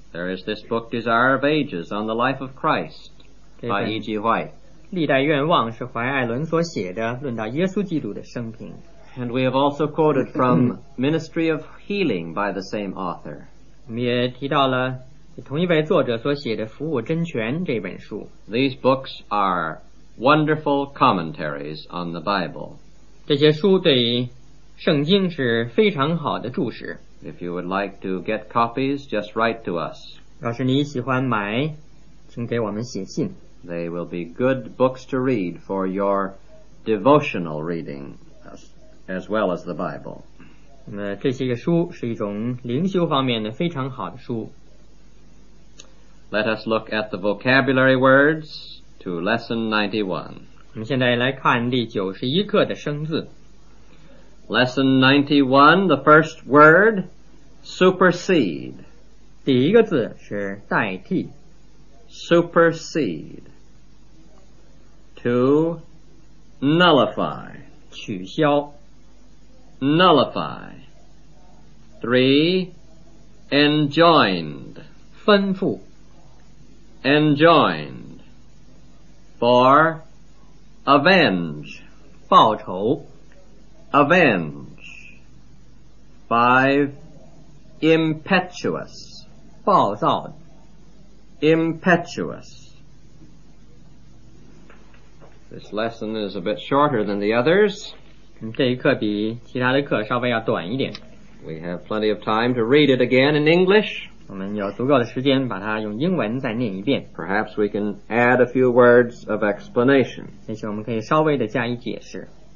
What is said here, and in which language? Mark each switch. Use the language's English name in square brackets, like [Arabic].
[English] There is this book, Desire of Ages, on the Life of Christ, by E.G. White. [Chinese] 历代愿望是怀艾伦所写的，论到耶稣基督的生平。 [English] And we have also quoted from Ministry of Healing by the same author. [Chinese] 我们也提到了同一位作者所写的《服务真权》这本书。 [English] These books are wonderful commentaries on the Bible. [Chinese] 这些书对圣经是非常好的注释。 [English] If you would like to get copies, just write to us. [Chinese] 要是你喜欢买，请给我们写信。 [English] They will be good books to read for your devotional reading, as well as the Bible. [Chinese] 那这些个书是一种灵修方面的非常好的书。 [English] Let us look at the vocabulary words to lesson 91. [Chinese] 我们现在来看第91课的生字。 [English] Lesson 91, the first word, supersede. [Chinese] 第一个字是代替。 [English] Supersede. To nullify. [Chinese] 取消。 [English] Nullify. Three, enjoined. [Chinese] 吩咐。 [English] Enjoined. For avenge. [Chinese] 报仇. [English] Avenge. Five. Impetuous. [Chinese] 暴躁. [English] Impetuous. This lesson is a bit shorter than the others. [Chinese] 这一课比其他的课稍微要短一点。 [English] We have plenty of time to read it again in English. [Chinese] 我们有足够的时间把它用英文再念一遍。 [English] Perhaps we can add a few words of explanation. [Chinese] 也许我们可以稍微的加以解释。